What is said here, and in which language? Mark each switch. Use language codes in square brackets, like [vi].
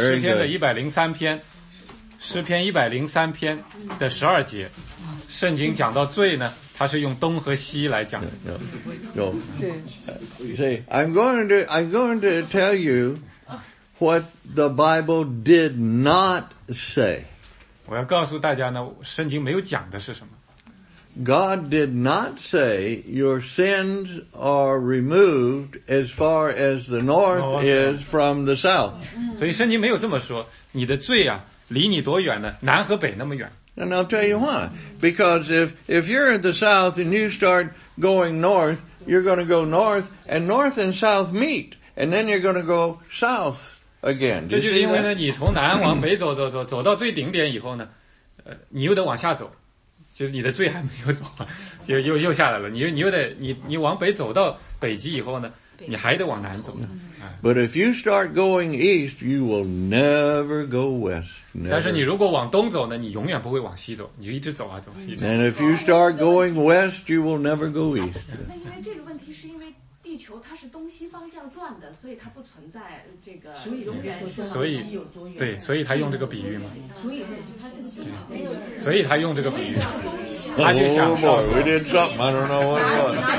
[zh] 诗篇的103篇，诗篇103篇的十二节，圣经讲到罪呢，它是用东和西来讲。 [en] No. See, I'm going to tell you what the Bible did not say. [zh] 我要告诉大家呢，圣经没有讲的是什么。 [en] God did not say your sins are removed as far as the north is from the south. [zh] 所以圣经没有这么说，你的罪啊，离你多远呢？南和北那么远。 [en] And I'll tell you why. Because if you're in the south and you start going north, you're going to go north, and north and south meet, and then you're going to go south again. [zh] 这就是因为呢，你从南往北走走走，走到最顶点以后呢，你又得往下走，就是你的最还没有走，又下来了。你又得往北走到北极以后呢，你还得往南走呢。 [en] But if you start going east, you will never go west. Never. [zh] 但是你如果往东走呢，你永远不会往西走，你一直走啊走。 [en] And if you start going west, you will never go east. [zh] 那因为这个问题是因为地球它是东西方向转的，所以它不存在这个永远是。所以对，所以他用这个比喻嘛。所以他用这个比喻。他就想到。 [en] Oh boy, we did something. I don't know what it was.